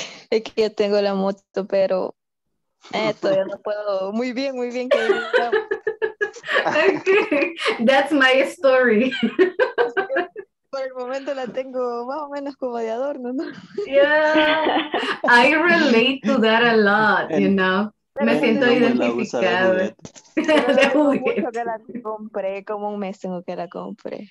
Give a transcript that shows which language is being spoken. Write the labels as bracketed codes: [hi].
[es] Es que yo tengo la moto, pero todavía no puedo. Muy bien, que [en] okay, that's my story. [es] Por el momento la tengo más o menos como de adorno, ¿no? [en] Yeah, I relate to that a lot, you know. [es] Me siento identificada. De juguete. Compré, como un mes tengo que la compré.